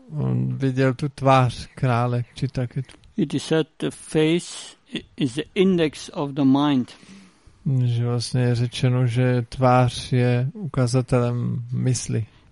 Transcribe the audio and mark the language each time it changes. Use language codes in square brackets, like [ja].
[cs] On viděl tu tvář krále Chitraketu. [en] It is said the face is the index of the mind. [cs] Že vlastně je řečeno, že tvář je ukazatelem mysli.